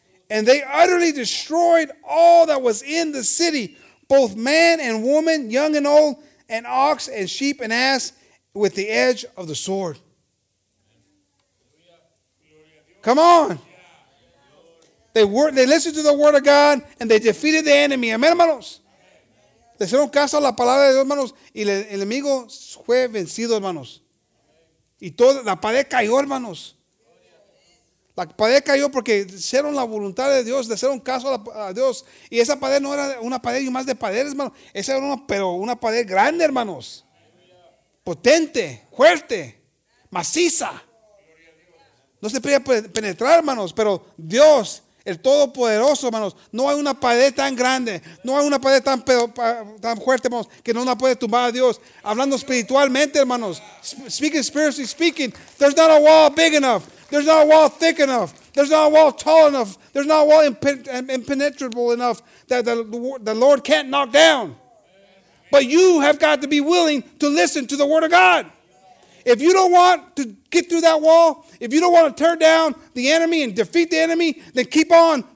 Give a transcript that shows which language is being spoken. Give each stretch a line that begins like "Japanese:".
English: And they utterly destroyed all that was in the city, both man and woman, young and old, and ox and sheep and ass, with the edge of the sword. Come on. They listened to the word of God, and they defeated the enemy.
Spanish: Amen, hermanos. Le hicieron caso a la palabra de Dios, hermanos, y el enemigo fue vencido, hermanos. Y toda la pared cayó, hermanos. La pared cayó porque hicieron la voluntad de Dios, le hicieron caso a Dios. Y esa pared no era una pared y más de paredes, hermano. Esa era una pared grande, hermanos. Potente, fuerte, maciza. No se podía penetrar, hermanos. Pero Dios, el Todopoderoso, hermanos, no hay una pared tan grande, no hay una pared tan fuerte, hermanos, que no la puede tumbar a Dios. Hablando espiritualmente, hermanos.
English: Speaking spiritually speaking, there's not a wall big enough. There's not a wall thick enough. There's not a wall tall enough. There's not a wall impenetrable enough that the Lord can't knock down. But you have got to be willing to listen to the word of God. If you don't want to get through that wall, if you don't want to tear down the enemy and defeat the enemy, then keep on